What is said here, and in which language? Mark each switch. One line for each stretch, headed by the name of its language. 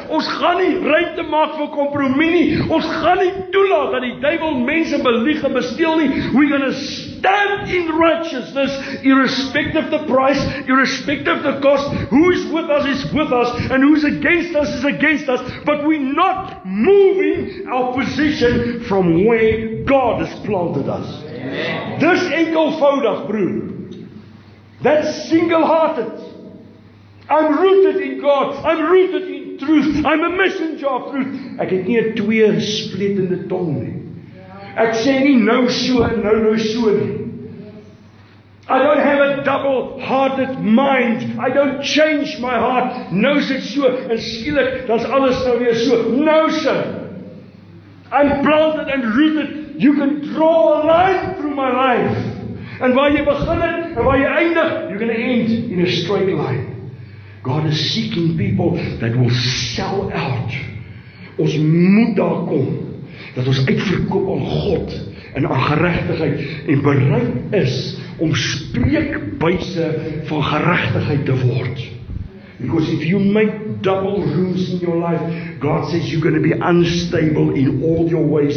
Afrikaans: Ons gaan nie ruimte maak vir kompromie nie. Ons gaan nie toelaat dat die duiwel mense belieg en besteel nie.
English: We're going to stand in righteousness irrespective of the price, irrespective of the cost. Who is with us is with us and who's against us is against us, but we're not moving our position from where God has planted us.
Afrikaans: Amen. Dis enkelvoudig, broer.
English: That's single-hearted. I'm rooted in God. I'm rooted in truth. I'm a messenger of truth.
Afrikaans: Ek het nie 'n twee spletende tong nie. Ek sê nie nou so en nou so nie.
English: I don't have a double-hearted mind. I don't change my heart.
Afrikaans: Nou is dit so en skielik dan's alles nou weer so. Nou so.
English: I'm planted and rooted. You can draw a line through my life. And
Afrikaans: waar jy begin het en waar jy eindig,
English: you're going to end in a straight line. God is seeking people that will sell out.
Afrikaans: Ons moet daar kom dat ons uitverkoop aan God en aan geregtigheid en bereid is om spreekbuise van geregtigheid te word.
English: Because if you make double rooms in your life, God says you're going to be unstable in all your ways.